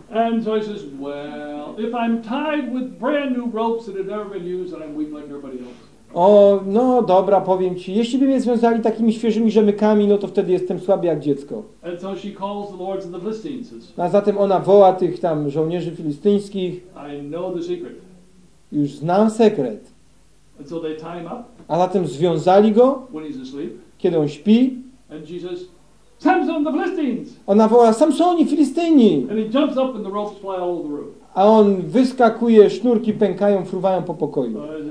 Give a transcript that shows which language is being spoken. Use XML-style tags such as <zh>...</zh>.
<en>And so he says, well, if I'm tied with brand new ropes that have never been used, then I'm weak like everybody else.</en> <pl>O, no dobra, powiem ci. Jeśli by mnie związali takimi świeżymi rzemykami, no to wtedy jestem słaby jak dziecko.</pl> <en>And so she calls the lords of the Philistines.</en> <pl>A zatem ona woła tych tam żołnierzy filistyńskich.</pl> <en>I know the secret.</en> <pl>Już znam sekret.</pl> <en>And so they tie him up.</en> <pl>A zatem związali go.</pl> <en>When he's asleep.</en> <pl>Kiedy on śpi.</pl> <en>And she says, Samson, the Philistines!</en> <pl>Ona woła, Samsoni, Filistyni!</pl> <en>And he jumps up and the ropes fly all over the room.</en> <pl>A on wyskakuje, sznurki pękają, fruwają po pokoju.</pl>